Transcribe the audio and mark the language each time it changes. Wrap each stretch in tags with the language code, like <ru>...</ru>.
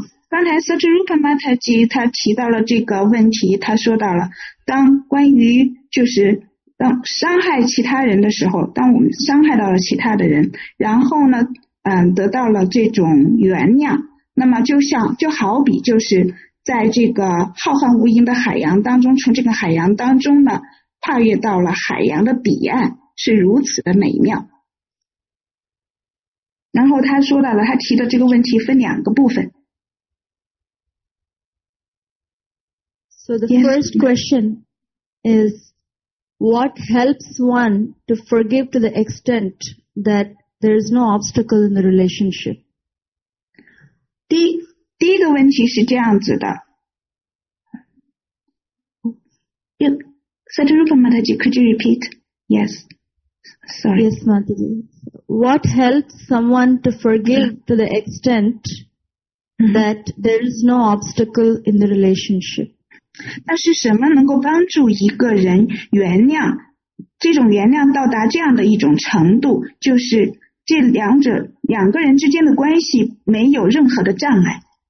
<zh>刚才 Satyarupa Mataji 他提到了这个问题，他说到了当关于就是当伤害其他人的时候，当我们伤害到了其他的人，然后呢，得到了这种原谅，那么就好比就是在这个浩瀚无垠的海洋当中，从这个海洋当中呢，跨越到了海洋的彼岸，是如此的美妙。然后他说到了，他提的这个问题分两个部分。</zh> <en>So the first question is, what helps one to forgive to the extent that there is no obstacle in the relationship?</en> <zh>第一个问题是这样子的。</zh> <en>Satarupa Mataji, could you repeat? Yes. Sorry. Yes, Mataji. What helps someone to forgive to the extent that there is no obstacle in the relationship?</en> <zh>那是什么能够帮助一个人原谅？这种原谅到达这样的一种程度，就是这两个人之间的关系没有任何的障碍。</zh>